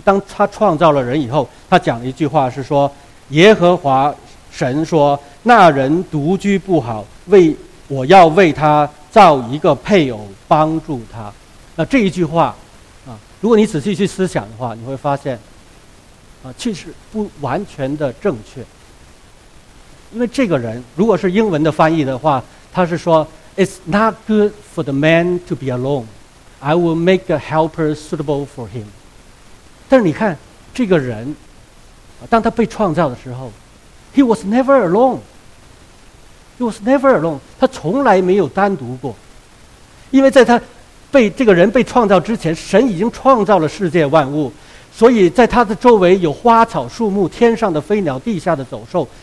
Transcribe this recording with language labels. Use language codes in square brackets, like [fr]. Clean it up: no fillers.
[zh] 当他创造了人以后，他讲了一句话，是说耶和华神说，那人独居不好，我要为他造一个配偶帮助他。那这一句话啊，如果你仔细去思想的话，你会发现啊，其实不完全的正确。因为这个人如果是英文的翻译的话，他是说 [en] It's not good for the man to be alone, I will make a helper suitable for him。 [zh] 但是你看这个人当他被创造的时候， [en] He was never alone, [zh] He was never alone, 他从来没有单独过。因为在他被这个人被创造之前，神已经创造了世界万物，所以在他的周围有花草树木，天上的飞鸟，地下的走兽。